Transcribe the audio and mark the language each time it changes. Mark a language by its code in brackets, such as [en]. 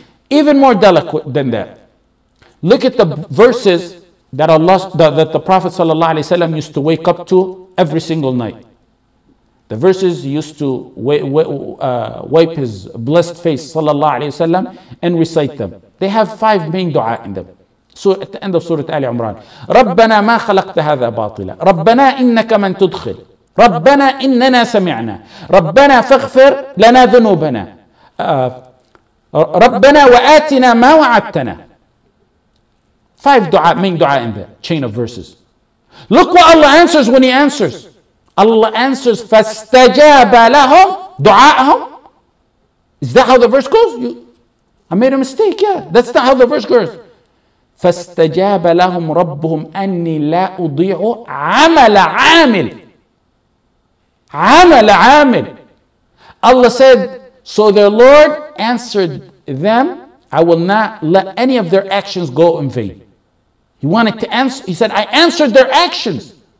[en] Even more delicate than that. Look at the verses that the Prophet sallallahu alaihi wasallam used to wake up to every single night. The verses he used to wipe his blessed face sallallahu alaihi wasallam and recite them. They have five main dua in them. So at the end of Surah Ali Imran, [ar] رَبَّنَا مَا خَلَقْتَ هَذَا بَاطِلًا رَبَّنَا إِنَّكَ مَنْ تُدْخِلْ رَبَّنَا إِنَّنَا سَمِعْنَا رَبَّنَا فَاغْفِرْ لَنَا ذُنُوبَنَا رَبَّنَا وَآتِنَا مَا وَعَدْتَنَا. [en] Five dua, main dua in the chain of verses. Look what Allah answers when He answers. Allah answers, [ar] فَاسْتَجَابَ لَهُمْ دُعَاءَهُمْ. [en] Is that how the verse goes? I made a mistake, yeah. That's not how the verse goes. [ar] فَاسْتَجَابَ لَهُمْ رَبُّهُمْ أَنِّي لَا أُضِيعُ عَمَلَ عَامِلٍ. عَمَلَ عَامِلٍ. [en] Allah said, so their Lord answered them, I will not let any of their actions go in vain. He wanted to answer, he said, I answered their actions.